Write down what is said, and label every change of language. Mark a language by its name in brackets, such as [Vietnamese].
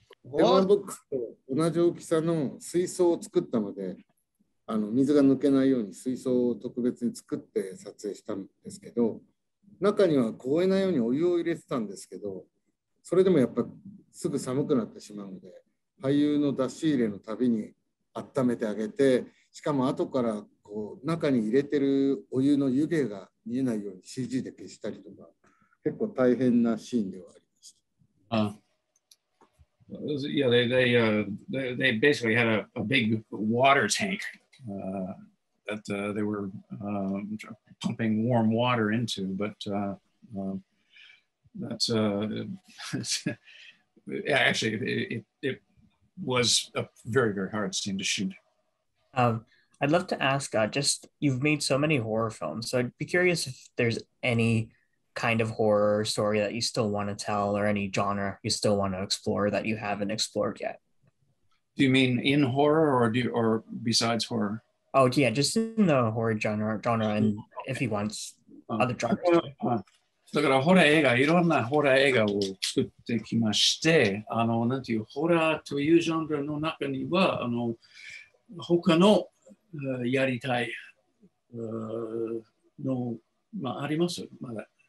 [Japanese] 電話ボックスと同じ大きさの水槽を作ったので、水が抜けないように水槽を特別に作って撮影したんですけど、中には凍えないようにお湯を入れてたんですけど、それでもやっぱすぐ寒くなってしまうので、俳優の出し入れのたびに温めてあげて、しかも後からこう中に入れてるお湯の湯気が見えないように CG で消したりとか、結構大変なシーンではありました。 [English] Yeah, they basically had a big water tank that they were pumping warm water into, but it was a very, very hard scene to shoot. I'd love to ask, you've made so many horror films, so I'd be curious if there's any kind of horror story that you still want to tell, or any genre you still want to explore that you haven't explored yet. Do you mean in horror or besides horror? Oh, yeah, just in the horror genre, and if he wants other genres. [Japanese] だからホラー映画、いろんなホラー映画を作ってきまして、なんていう、ホラーというジャンルの中には、他のやりたいの、まあ、あります、まだ。